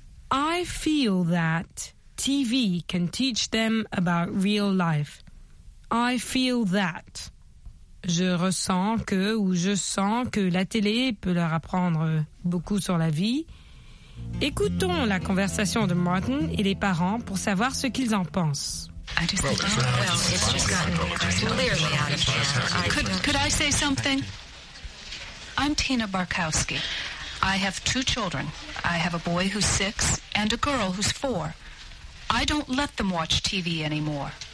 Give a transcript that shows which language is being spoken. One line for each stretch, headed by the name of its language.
English: I feel that TV can teach them about real life. I feel that.
French: Je ressens que ou je sens que la télé peut leur apprendre beaucoup sur la vie. Écoutons la conversation de Martin et les parents pour savoir ce qu'ils en pensent.
English: I just think, it's just gotten clearly out of hand. Could I say something? I'm Tina Barkowski. I have two children. I have a boy who's 6 and a girl who's 4. I don't let them watch TV anymore.